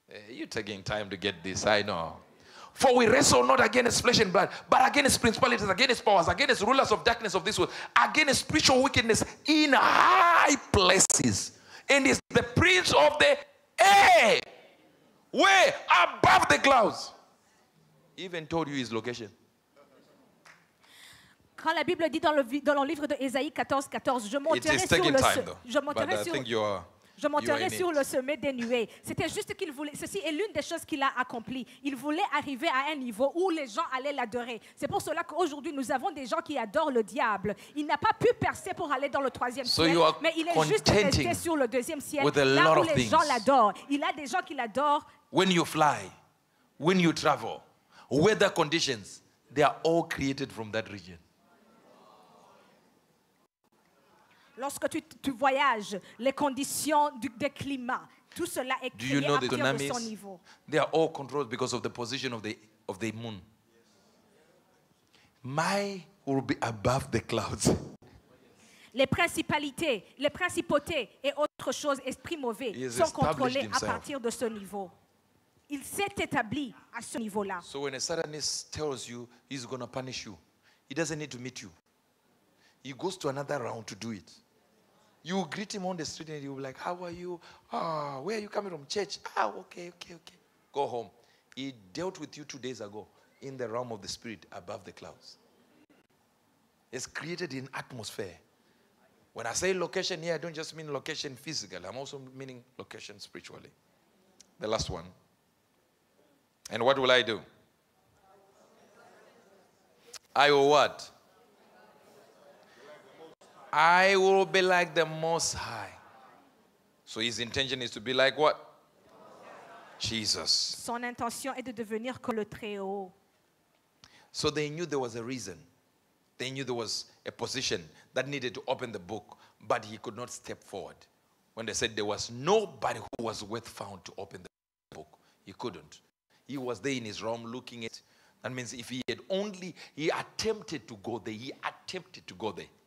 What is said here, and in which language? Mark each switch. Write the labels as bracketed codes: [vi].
[en] You're taking time to get this, I know. For we wrestle not against flesh and blood, but against principalities, against powers, against rulers of darkness of this world, against spiritual wickedness in high places. And is the prince of the air, way above the clouds. He even told you his location. [fr] Quand la Bible dit dans le livre de Ésaïe 14:14, je monterai sur le Je monterai sur le sommet des nuées. C'était juste qu'il voulait. Ceci est l'une des choses qu'il a accompli. Il voulait arriver à un niveau où les gens allaient l'adorer. C'est pour cela qu'aujourd'hui, nous avons des gens qui adorent le diable. Il n'a pas pu percer pour aller dans le troisième ciel, mais il est juste resté sur le deuxième ciel, là où les gens l'adorent. Il a des gens qui l'adorent. [en] When you fly, when you travel, weather conditions, they are all created from that region. [fr] Lorsque tu voyages, les conditions du climat, tout cela est créé à partir de son niveau. [en] They are all controlled because of the position of the moon. My will be above the clouds. [fr] Les principautés et autres choses, esprits mauvais, sont contrôlés à partir de ce niveau. Il s'est établi à ce niveau-là. [en] So when a Satanist tells you he's going to punish you, he doesn't need to meet you. He goes to another round to do it. You will greet him on the street and he will be like, how are you? Where are you coming from? Church. Okay. Go home. He dealt with you 2 days ago in the realm of the spirit above the clouds. It's created in atmosphere. When I say location here, I don't just mean location physically. I'm also meaning location spiritually. The last one. And what will I do? I will what? I will be like the Most High. So his intention is to be like what? Jesus. [fr] Son intention est de devenir comme le Très-Haut. [en] So they knew there was a reason. They knew there was a position that needed to open the book, but he could not step forward. When they said there was nobody who was worth found to open the book, he couldn't. He was there in his room looking at it. That means if he attempted to go there.